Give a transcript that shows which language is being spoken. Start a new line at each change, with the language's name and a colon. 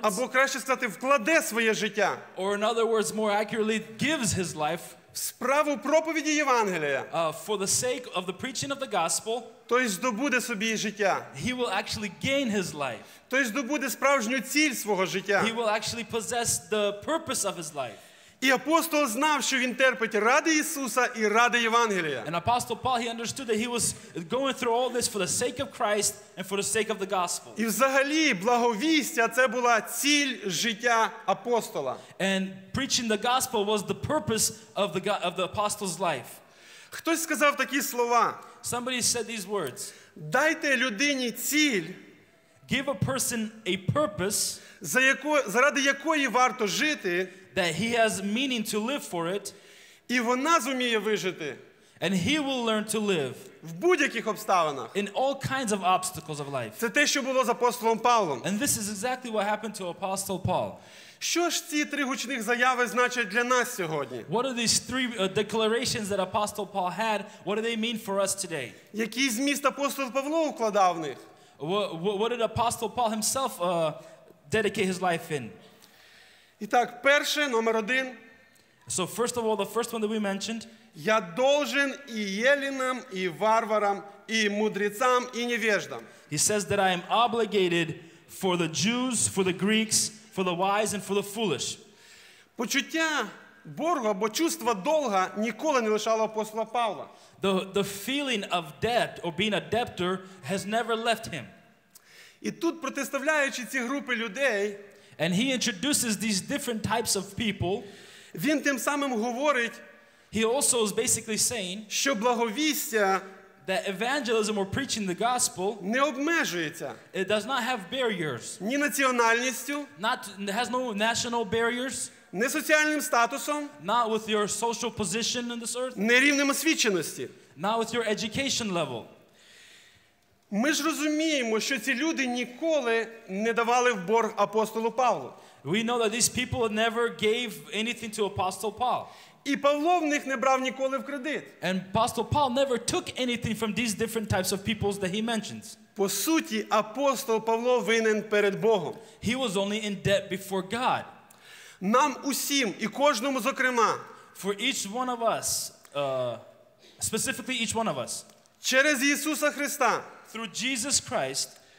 Ukrainian: Або краще сказати, вкладе своє життя.
English: Or in other words, more accurately, gives his life.
Ukrainian: В справу проповіді Євангелія.
English: For the sake of the preaching of the gospel.
Ukrainian: Той здобуде собі життя.
English: He will actually gain his life.
Ukrainian: Той здобуде справжню ціль свого життя.
English: He will actually possess the purpose of his life.
Ukrainian: І апостол знав, що він терпить ради Ісуса і ради Євангелія.
English: And apostle Paul he understood that he was going through all this for the sake of Christ and for the sake of the gospel.
Ukrainian: І взагалі благовістя це була ціль життя апостола.
English: And preaching the gospel was the purpose of the apostle's life.
Ukrainian: Хтось сказав такі слова.
English: Somebody said these words.
Ukrainian: Дайте людині ціль.
English: Give a person a purpose.
Ukrainian: Заради якої варто жити.
English: That he has meaning to live for it.
Ukrainian: І вона зуміє вижити.
English: And he will learn to live.
Ukrainian: В будь-яких обставинах.
English: In all kinds of obstacles of life.
Ukrainian: Це те, що було з апостолом Павлом.
English: And this is exactly what happened to Apostle Paul.
Ukrainian: Що ж ці три гучних заяви значать для нас сьогодні?
English: What are these three declarations that Apostle Paul had? What do they mean for us today?
Ukrainian: Який зміст апостол Павло укладав в них?
English: What did Apostle Paul himself dedicate his life in?
Ukrainian: І так, перше, номер один.
English: So first of all, the first one that we mentioned.
Russian: Я должен і єлінам, і варварам, і мудрецам, і невеждам.
English: He says that I am obligated for the Jews, for the Greeks, for the wise and for the foolish.
Ukrainian: Почуття боргу або
Russian: чувство долга
Ukrainian: ніколи не лишало апостола Павла.
English: The feeling of debt or being a debtor has never left him.
Ukrainian: І тут протиставляючи ці групи людей,
English: and he introduces these different types of people.
Ukrainian: Він тим самим говорить,
English: he also is basically saying,
Ukrainian: що благовістя,
English: that evangelism or preaching the gospel,
Ukrainian: не обмежується.
English: It does not have barriers.
Ukrainian: Ні національністю,
English: not has no national barriers.
Ukrainian: Не соціальним статусом,
English: not with your social position on this earth.
Ukrainian: Не рівнем освіченості,
English: not with your education level.
Ukrainian: Ми ж розуміємо, що ці люди ніколи не давали в борг апостолу Павлу.
English: We know that these people never gave anything to Apostle Paul.
Ukrainian: І Павло в них не брав ніколи в кредит.
English: And Apostle Paul never took anything from these different types of people that he mentions.
Ukrainian: По суті, апостол Павло винен перед Богом.
English: He was only in debt before God.
Ukrainian: Нам усім і кожному зокрема.
English: For each one of us, specifically each one of us.
Ukrainian: Через Ісуса Христа.
English: Through Jesus Christ.